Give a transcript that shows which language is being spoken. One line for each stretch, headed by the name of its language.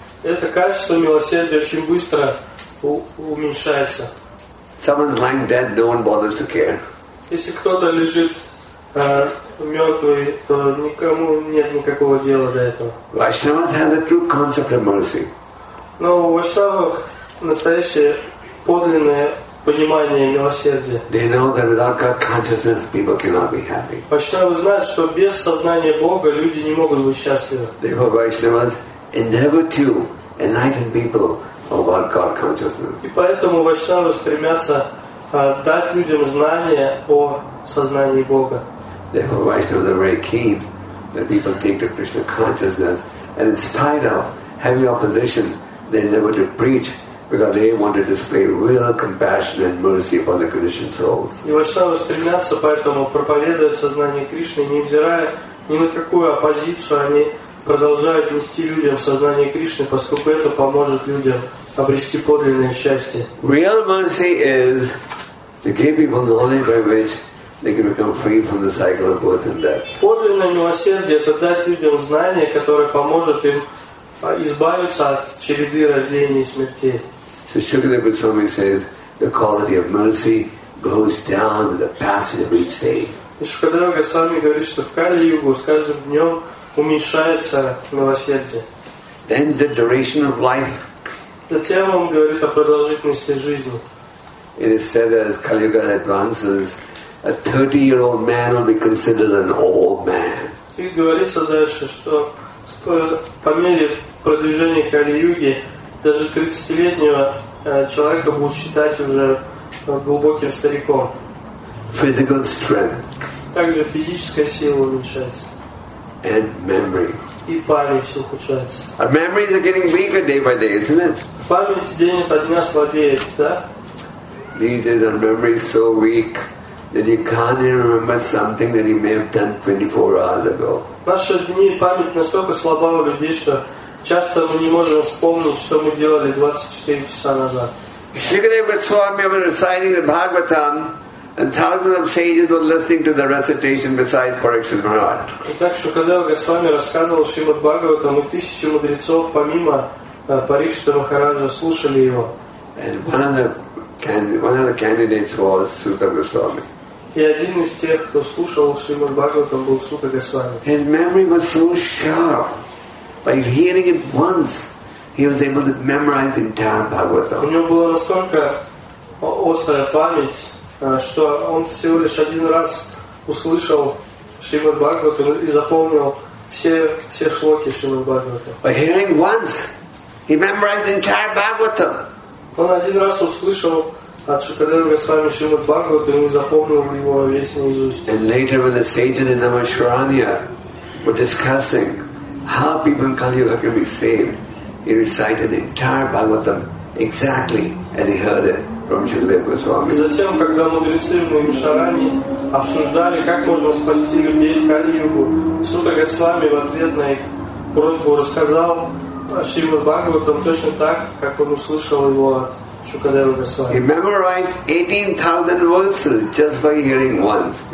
Russian: Это качество милосердия очень быстро уменьшается.
English: Someone's lying dead, no one bothers to care.
Russian: Если кто-то лежит мертвый, то никому нет никакого дела до этого.
English: Vaishnavas have a true concept of mercy.
Russian: Но у вайшнавов настоящее подлинное понимание милосердия.
English: They know that without God consciousness, people cannot be happy.
Russian: Вайшнавы знают, что без сознания Бога люди не могут быть счастливы.
English: Therefore, Vaishnavas endeavor to enlighten people about God consciousness.
Russian: И поэтому вайшнавы стремятся дать людям знания о сознании Бога.
English: Therefore, vaishnavas are very keen that people take to Krishna consciousness, and in spite of heavy opposition, they endeavor to preach because they want to display real compassion and mercy upon the conditioned souls.
Russian: И вайшнавы стремятся поэтому проповедовать сознание Кришны, невзирая ни на какую оппозицию, они продолжают нести людям сознание Кришны, поскольку это поможет людям обрести подлинное счастье.
English: Real mercy is to give people knowledge by which they can become free from the cycle of birth and death.
Russian: Подлинное милосердие — это дать людям знание, которое поможет им избавиться от череды рождения и смерти.
English: So Shukadeva Goswami says the quality of mercy goes down with the passage of each day.
Russian: Шукадева Госвами говорит, что в Кали-югу с каждым днем уменьшается милосердие.
English: Then the duration of life.
Russian: Затем он говорит о продолжительности жизни.
English: It is said that as Kali-yuga advances, a 30-year-old man will be considered an old man.
Russian: И говорится дальше, что по мере продвижения Кали-юги даже 30-летнего человека будут считать уже глубоким стариком.
English: Physical strength.
Russian: Также физическая сила уменьшается.
English: And memory. Our memories are getting weaker day by day, isn't it?
Russian: память день ото дня слабеет, да?
English: These days our memory is so weak that you can't even remember something that you may have done 24 hours ago.
Russian: Наши дни память настолько слаба у людей, что часто мы не можем вспомнить, что мы делали 24 часа назад.
English: Shrikadeva Swami was reciting the Bhagavatam and thousands of sages were listening to the recitation besides Parikshit Maharaj.
Russian: Итак, Шукадева Госвами рассказывал Шримад Бхагаватам, и тысячи мудрецов помимо Парикшита Махараджа слушали его.
English: And one of the candidates was Sutta Goswami.
Russian: И один из тех, кто слушал Шримад Бхагаватам, был Сута Госвами.
English: His memory was so sharp. By hearing it once, he was able to memorize the entire Bhagavatam.
Russian: У него была настолько острая память, что он всего лишь один раз услышал Шримад Бхагаватам и запомнил все шлоки Шримад Бхагаватам.
English: By hearing once, he memorized the entire Bhagavatam.
Russian: Он один раз услышал от Шукадева Госвами Шримад Бхагаватам и запомнил его весь наизусть.
English: And later when the sages in Navasharanya were discussing how people in Kali Yuga can be saved, he recited the entire Bhagavatam exactly as he heard it.
Russian: И затем, когда мудрецы в Навашарани обсуждали, как можно спасти людей в Кали-югу, Сута Госвами в ответ на их просьбу рассказал Шримад Бхагаватам точно так, как он услышал его от Шукадева Госвами.
English: He memorized 18,000 verses just by hearing once.